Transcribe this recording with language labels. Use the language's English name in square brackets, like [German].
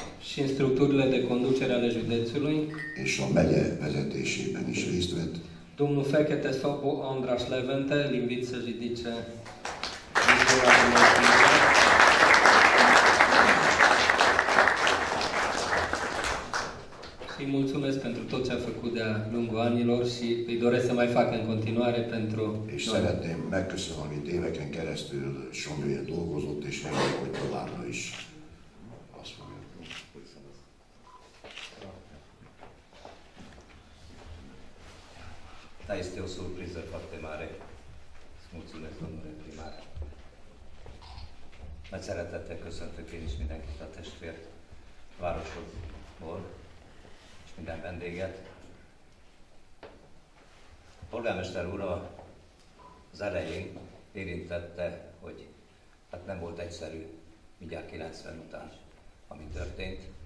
[Romanian] Și în structurile de conducere ale județului. [Hungarian] És a megye vezetésében is részt vett. [Romanian] Domnul Fekete Szabó András Levente, l-invit să ridice. Și mulțumesc pentru tot ce a făcut de-a lungul anilor și îi doresc să mai facă în continuare pentru noi. [Hungarian] Și szeretném megköszönni, hogy éveken keresztül Somlyóért dolgozott, és remélem, hogy továbbra is. [Romanian] Da, este o surpriză foarte mare. Mulțumesc, domnule primar. [Hungarian] Nagy szeretettel köszöntök én is mindenkit a testvér városodból, és minden vendéget. A polgármester úr az elején érintette, hogy hát nem volt egyszerű mindjárt 90 után, ami történt.